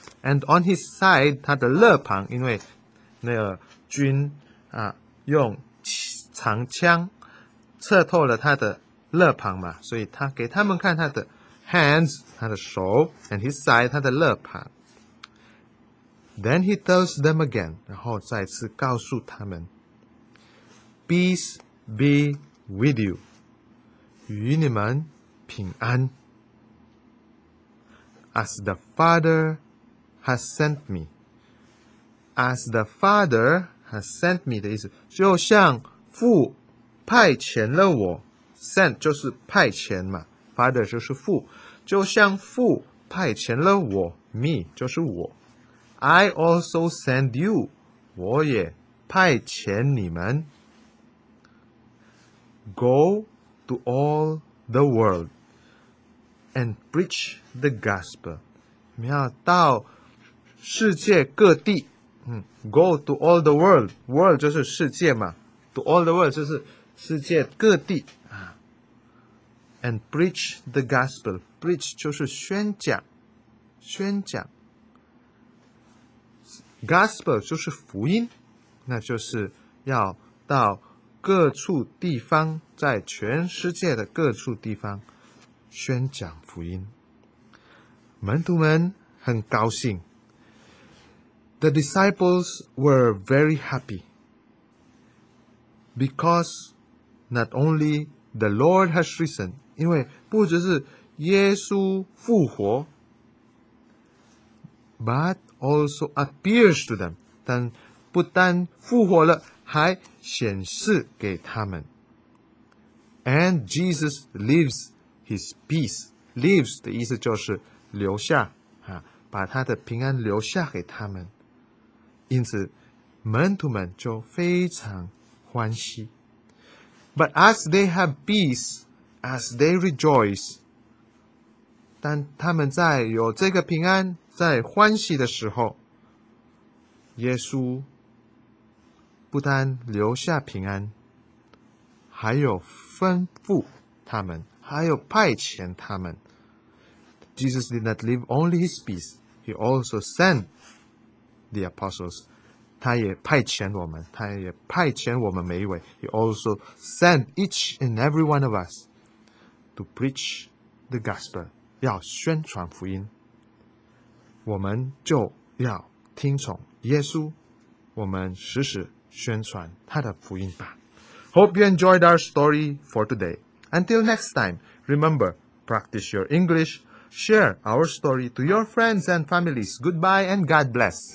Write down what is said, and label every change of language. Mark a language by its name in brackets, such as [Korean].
[English] And on his side, [Chinese] 他的肋旁，因为那个军啊用长枪刺透了他的肋旁嘛，所以他给他们看他的 hands, 他的手 , [English] and his side, [Chinese] 他的肋旁。 [English] Then he tells them again, [Chinese] 然后再次告诉他们。 [English] Peace be with you. [Chinese] 与你们平安。 [English] As the Father has sent me. As the Father has sent me [Chinese] 的意思，就像父派遣了我。 Sent 就是派遣嘛。Father 就是父。就像父派遣了我。 [English] Me [Chinese] 就是我。 [English] I also send you. [Chinese] 我也派遣你们。 [English] Go to all the world and preach the gospel. [Chinese] 你要到世界各地。 [English] Go to all the world. [Chinese] World 就是世界嘛。 To all the world 就是世界各地。 [English] And preach the gospel. [Chinese] Preach 就是宣讲。宣讲。 Gospel 就是福音。那就是要到各处地方，在全世界的各处地方宣讲福音。门徒们很高兴。 [English] The disciples were very happy because not only the Lord has risen, [Chinese] 因为不只是耶稣复活 [English] but also appears to them, [Chinese] 但不单复活了还显示给他们。 [English] And Jesus leaves his peace. [Chinese] Leaves 的意思就是留下、啊、把他的平安留下给他们。因此门徒们就非常欢喜。 [English] But as they have peace, as they rejoice, [Chinese] 当他们在有这个平安在欢喜的时候，耶稣不单留下平安，还有吩咐他们，还有派遣他们。 [English] Jesus did not leave only his peace, he also sent the apostles. [Chinese] 他也派遣我们，他也派遣我们每一位。 [English] He also sent each and every one of us to preach the gospel, [Chinese] 要宣传福音。我们就要听从耶稣，我们时时宣传他的福音吧。 [English] Hope you enjoyed our story for today. Until next time, remember, practice your English, share our story to your friends and families. Goodbye and God bless.